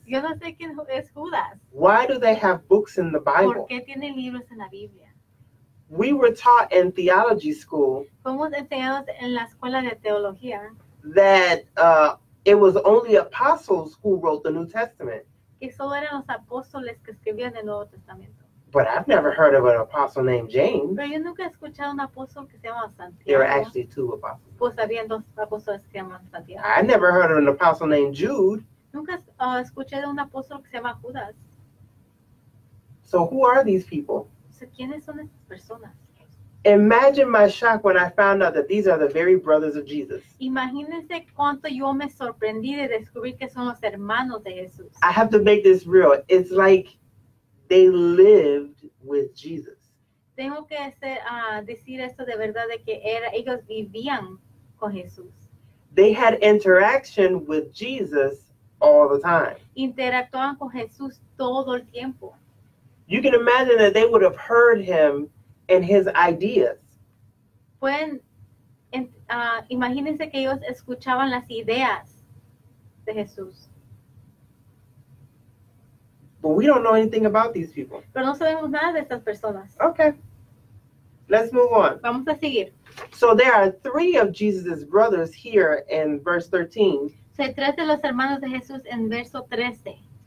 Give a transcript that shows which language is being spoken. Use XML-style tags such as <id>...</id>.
<es>Yo no sé quién es Judas.</es> <en>Why do they have books in the Bible?</en> <es>Porque tienen libros en la Biblia.</es> <en>We were taught in theology school.</en> <es>Fuimos enseñados en la escuela de teología.</es> <en>That it was only apostles who wrote the New Testament.</en> <es>Que solo eran los apóstoles que escribían el Nuevo Testamento.</es> <en>But I've never heard of an apostle named James.</en> <es>Pero yo nunca he escuchado un apóstol que se llama Santiago.</es> <en>There are actually two apostles.</en> <es>Pues había dos apóstoles que se llaman Santiago.</es> <en>I never heard of an apostle named Jude.</en> <es>Nunca escuché de un apóstol que se llama Judas.</es> <en>So who are these people?</en> <es>So, ¿quiénes son estas personas?</es> <en>Imagine my shock when I found out that these are the very brothers of Jesus.</en> <es>Imagínense cuánto yo me sorprendí de descubrir que son los hermanos de Jesús.</es> <en>I have to make this real. It's like they lived with Jesus.</en> <es>tengo que hacer, decir esto de verdad, de que era, ellos vivían con Jesús.</es> <en>They had interaction with Jesus all the time.</en> <es>Interactuaban con Jesús todo el tiempo.</es> <en>You can imagine that they would have heard him and his ideas.</en> <es>Pueden, imagínense que ellos escuchaban las ideas de Jesús.</es> <en>But we don't know anything about these people.</en> <es>Pero no sabemos nada de estas personas.</es> <en>Okay. Let's move on.</en> <es>Vamos a seguir.</es> <en>So there are three of Jesus' brothers here in verse 13.</en> <es>Se trata de los hermanos de Jesús en verso 13.</es>